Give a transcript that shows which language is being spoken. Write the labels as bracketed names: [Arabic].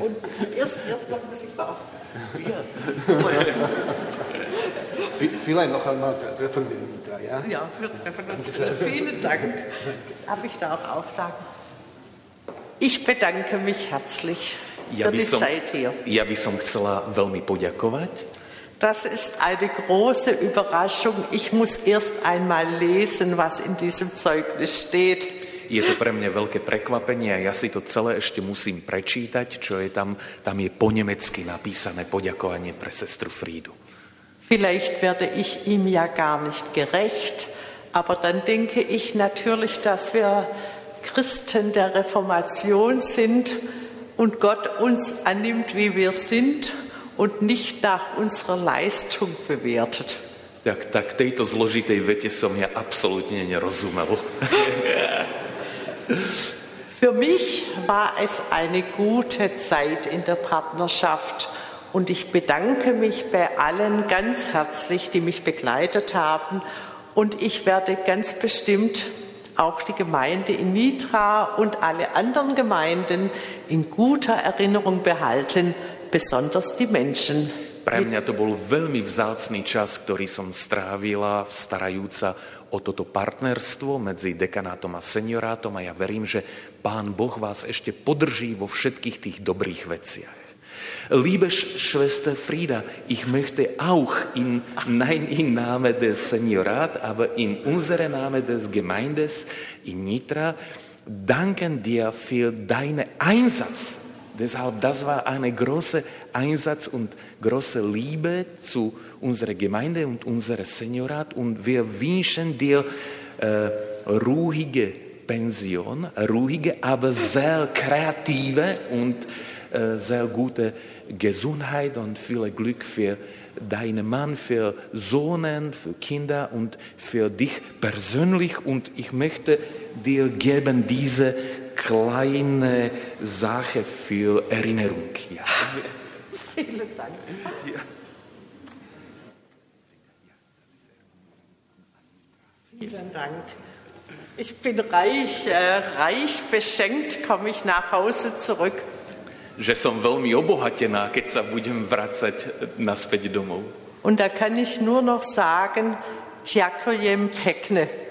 [German] Und erst noch ein bisschen Bart. Wir. Vielleicht noch einmal treffen wir uns da, ja? Ja, wir treffen uns. Vielen Dank. Aber ich darf auch sagen, ich bedanke mich herzlich für die Zeit hier. [Slovak] Ja by som chcela veľmi poďakovať. [German] Das ist eine große Überraschung. Ich muss erst einmal lesen, was in diesem Zeugnis steht. [Slovak] Je to pre mňa veľké prekvapenie a ja si to celé ešte musím prečítať, čo je tam. Tam je po nemecky napísané poďakovanie pre sestru Frídu. [German] Vielleicht werde ich ihm ja gar nicht gerecht, aber dann denke ich natürlich, dass wir Christen der Reformation sind und Gott uns annimmt, wie wir sind und nicht nach unserer Leistung bewertet. [Slovak] Tak tejto zložitej vete som ja absolútne nerozumel. [German] Für mich war es eine gute Zeit in der Partnerschaft und ich bedanke mich bei allen ganz herzlich, die mich begleitet haben und ich werde ganz bestimmt auch die Gemeinde in Nitra und alle anderen Gemeinden in guter Erinnerung behalten, besonders die Menschen. [Slovak] Pre mňa to bol veľmi vzácny čas, ktorý som strávila starajúca o toto partnerstvo medzi dekanátom a seniorátom a ja verím, že Pán Boh vás ešte podrží vo všetkých tých dobrých veciach. [German] Liebe Schwester Frieda, ich möchte auch in deinem Namen des Seniorats, aber in unserem Namen des Gemeindes in Nitra danken dir für deinen Einsatz. Deshalb, das war eine große Einsatz und große Liebe zu unserer Gemeinde und unserem Seniorat. Und wir wünschen dir ruhige Pension, ruhige, aber sehr kreative und sehr gute Gesundheit und viel Glück für deinen Mann, für Sohnen, für Kinder und für dich persönlich. Und ich möchte dir geben diese kleine Sache für Erinnerung. Ja. Vielen Dank. Ja. Vielen Dank. Ich bin reich beschenkt, komme ich nach Hause zurück. [Slovak] Že som veľmi obohatená, keď sa budem vracať naspäť domov. [German] Und da kann ich nur noch sagen, [Slovak] ďakujem pekne.